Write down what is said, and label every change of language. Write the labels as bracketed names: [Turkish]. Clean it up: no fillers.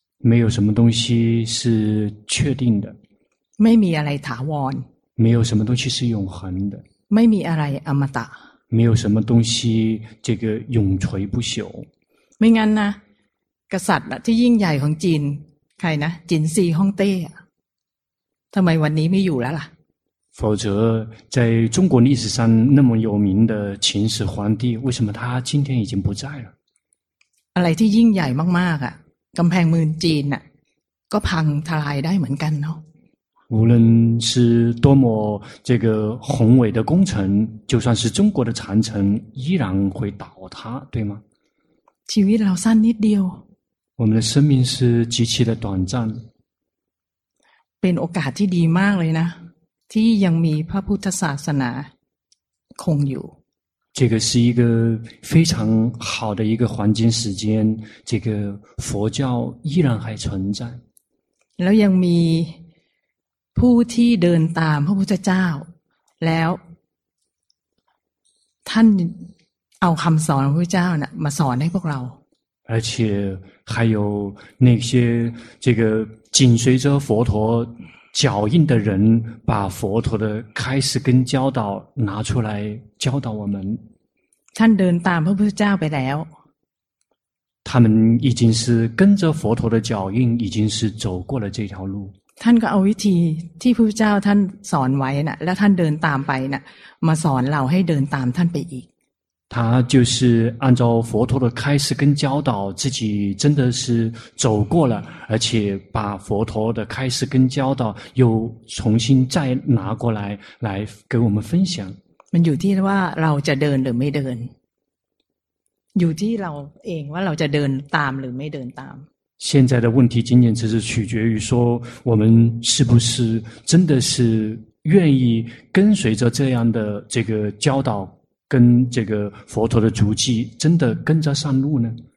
[Chinese] 没有什么东西是确定的 [Thai] ไม่มีอะไรถาวร [Chinese] 没有什么东西是永恒的 [Thai] ไม่มีอะไรอมตะ [Chinese] 没有什么东西这个永垂不朽 [Thai] ไม่งั้นนะกษัตริย์ที่ยิ่งใหญ่ของจีนใครนะจินซีฮ่องเต้ทำไมวันนี้ไม่อยู่แล้วล่ะ [Chinese] 否则在中国历史上那么有名的秦始皇帝为什么他今天已经不在了 [Thai] อะไรที่ยิ่งใหญ่มากๆอ่ะกำแพงเมืองจีนน่ะก็พังทลายได้เหมือนกันเนาะ [Chinese] 无论是多么这个宏伟的工程就算是中国的长城依然会倒塌对吗 [Thai] ชีวิตเราสั้นนิดเดียว [Chinese] 我们的生命是极其的短暂 [Thai] เป็นโอกาสที่ดีมากเลยนะที่ยังมีพระพุทธศาสนาคงอยู่ [Chinese] 这个是一个非常好的一个黄金时间这个佛教依然还存在 [Thai] แล้วยังมีผู้ที่เดินตามพระพุทธเจ้าแล้วท่านเอาคำสอนพระพุทธเจ้าน่ะมาสอนให้พวกเรา [Chinese] 而且还有那些这个紧随着佛陀脚印的人把佛陀的开始跟教导拿出来教导我们 [Thai] ท่านเดินตามพระพุทธเจ้าไปแล้ว [Chinese] 他们已经是跟着佛陀的脚印已经是走过了这条路 [Thai] ท่านก็เอาวิธีที่พระพุทธเจ้าท่านสอนไว้นะแล้วท่านเดินตามไปนะมาสอนเราให้เดินตามท่านไปอีก [Chinese] 他就是按照佛陀的开示跟教导，自己真的是走过了，而且把佛陀的开示跟教导又重新再拿过来，来给我们分享。 [Thai] มันอยู่ที่ว่าเราจะเดินหรือไม่เดินอยู่ที่เราเองว่าเราจะเดินตามหรือไม่เดินตาม [Chinese] 现在的问题仅仅只是取决于说我们是不是真的是愿意跟随着这样的这个教导跟这个佛陀的足迹真的跟着上路呢